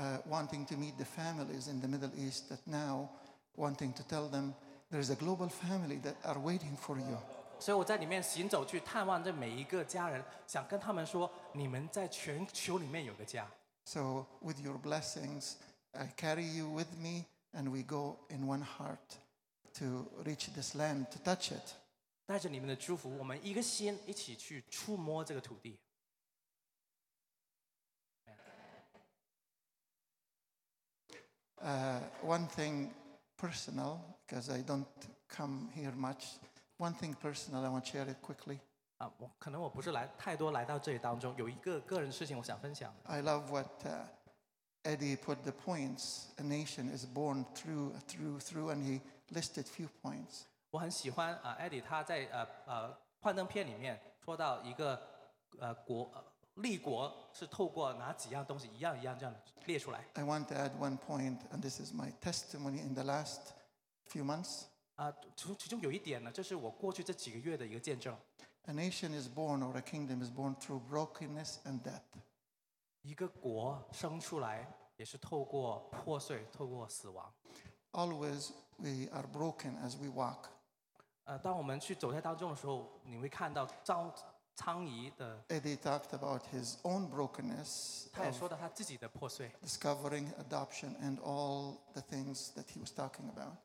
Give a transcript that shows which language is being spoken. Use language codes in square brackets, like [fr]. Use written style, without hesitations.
[en] Wanting to meet the families in the Middle East that now.Wanting to tell them There is a global family that are waiting for you. [zh] 所以我在里面行走去探望这每一个家人，想跟他们说，你们在全球里面有个家。 [en] So with your blessings, I carry you with me, and we go in one heart to reach this land, to touch it. [zh] 带着你们的祝福，我们一个心一起去触摸这个土地。 [en] One thing personal, because I don't come here much. One thing personal, I want to share it quickly. [zh] 啊，我可能我不是来太多来到这里当中，有一个个人事情我想分享。 [en] I love what Eddie put the points. A nation is born through, and he listed few points. [zh] 我很喜欢啊 ，Eddie 他在幻灯片里面说到一个国。立国是透过哪几样东西一样一样这样列出来。 [en] I want to add one point, and this is my testimony in the last few months. [zh] 其中有一点呢，这是我过去这几个月的一个见证。 [en] A nation is born or a kingdom is born through brokenness and death. [zh] 一个国生出来也是透过破碎，透过死亡。 [en] Always we are broken as we walk. [zh] 当我们去走在当中的时候，你会看到遭。 [en] Eddie talked about his own brokenness. [zh] 他也说到他自己的破碎。 [en] Discovering adoption and all the things that he was talking about.